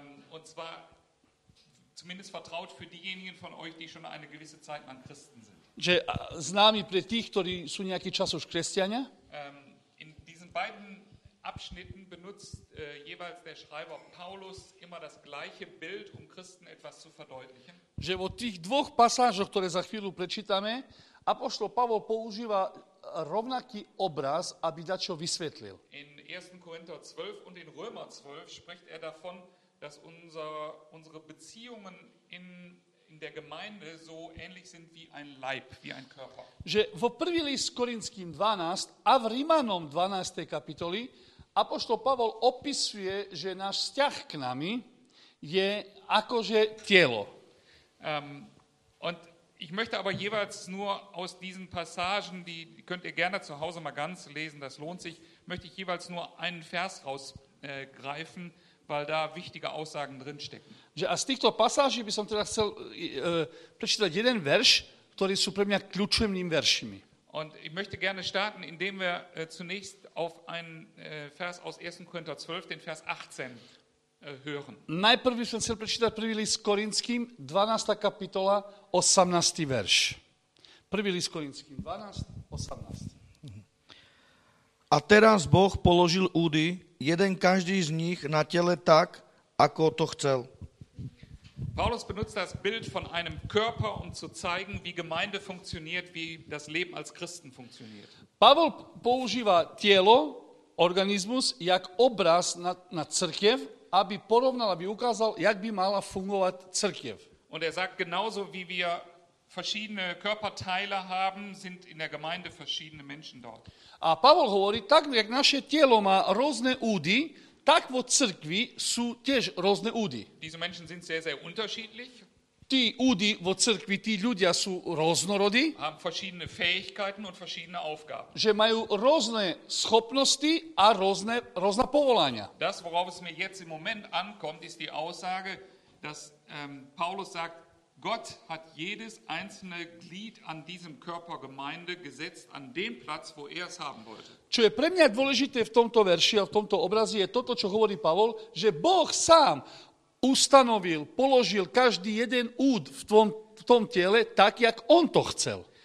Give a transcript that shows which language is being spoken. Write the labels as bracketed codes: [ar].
[de] Und zwar zumindest vertraut für diejenigen von euch, die schon eine gewisse Zeit lang Christen sind. [sk] Že známi pre tých, ktorí sú nejaký čas už kresťania. [de] In diesen beiden Abschnitten benutzt jeweils der Schreiber Paulus immer das gleiche Bild, um Christen etwas zu verdeutlichen. [sk] Že vo tých dvoch pasážoch, ktoré za chvíľu prečítame, apoštol Pavol používa rovnaký obraz, aby dačo vysvetlil. [de] In 1. Korinther 12 und in Römer 12 spricht er davon, dass unsere Beziehungen in der Gemeinde so ähnlich sind wie ein Leib, wie ein Körper. [sk] Že vo 1. list Korinským 12 a v Rímanom 12. kapitoli apoštol Pavol opisuje, že náš vzťah k nami je akože telo. [de] Und ich möchte aber jeweils nur aus diesen Passagen, die könnt ihr gerne zu Hause mal ganz lesen, das lohnt sich, möchte ich jeweils nur einen Vers rausgreifen, weil da wichtige Aussagen drinstecken. [sk] A z týchto pasáží by som teda chcel prečítať jeden verš, ktorý sú pre mňa kľúčovými veršmi. [de] Und ich möchte gerne starten, indem wir zunächst auf einen Vers aus 1. Korinther 12, den Vers 18 hören. [sk] Najprv by som chcel prečítať 1. list Korinským, 12. kapitola, 18. verš. 1. list Korinským, 12, 18. A teraz Boh položil údy, jeden každý z nich na tele tak, ako to chcel. [de] Paulus benutzt das Bild von einem Körper, um zu zeigen, wie Gemeinde funktioniert, wie das Leben als Christen funktioniert. [sk] Pavol používa telo, organizmus, jak obraz na cirkev, aby porovnal, aby ukázal, jak by mala fungovať cirkev. [de] Und er sagt, genauso wie wir verschiedene Körperteile haben, sind in der Gemeinde verschiedene Menschen dort. [sk] A Pavol hovorí, tak jak naše telo má rôzne údy, tak vo cirkvi sú tiež rôzne údy. [de] Diese Menschen sind sehr, sehr unterschiedlich. [sk] Tí údy vo cirkvi, tí ľudia sú rôznorodí. [de] Haben verschiedene Fähigkeiten und verschiedene Aufgaben. [sk] Že majú rôzne schopnosti a rôzne povolania. [de] Das, worauf es mir jetzt im Moment ankommt, ist die Aussage, dass Paulus sagt, Gott hat jedes einzelne Glied an diesem Körper Gemeinde gesetzt an den Platz, wo er es haben wollte. [sk] Čo je pre mňa dôležité v tomto verši a v tomto obrazi je toto, čo hovorí Pavol, že Boh sám ustanovil, položil každý jeden úd v tom tele tak, jak on to chcel.